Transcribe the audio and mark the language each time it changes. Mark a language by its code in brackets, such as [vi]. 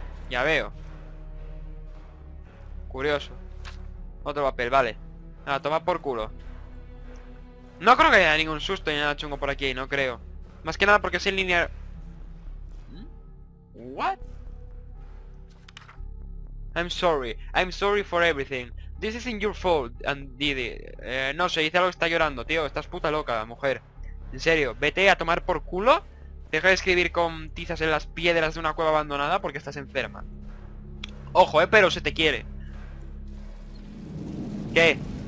[es] Ya veo. Curioso. Otro papel, vale. Nada, toma por culo. No creo que haya ningún susto ni nada chungo por aquí, no creo. Más que nada porque es en línea... [en] What? I'm sorry for everything. This isn't your fault, and Didi. [es] No sé, dice algo que está llorando, tío. Estás puta loca, mujer. En serio, vete a tomar por culo. Deja de escribir con tizas en las piedras de una cueva abandonada porque estás enferma. Ojo, pero se te quiere. ¿Qué?